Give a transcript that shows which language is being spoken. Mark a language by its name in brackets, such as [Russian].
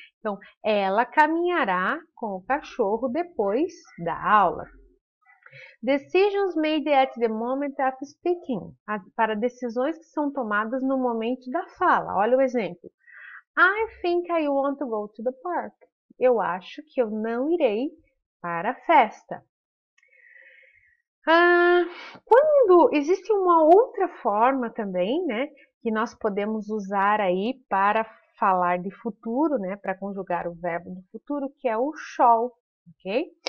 [Portuguese] Então, ela caminhará com o cachorro depois da aula. [English] Decisions made at the moment of speaking. [Portuguese] Para decisões que são tomadas no momento da fala. Olha o exemplo. [English] I think I want to go to the park. [Portuguese] Eu acho que eu não irei para a festa. Quando existe uma outra forma também, né, que nós podemos usar aí para falar de futuro, né, para conjugar o verbo do futuro, que é o shall, ok?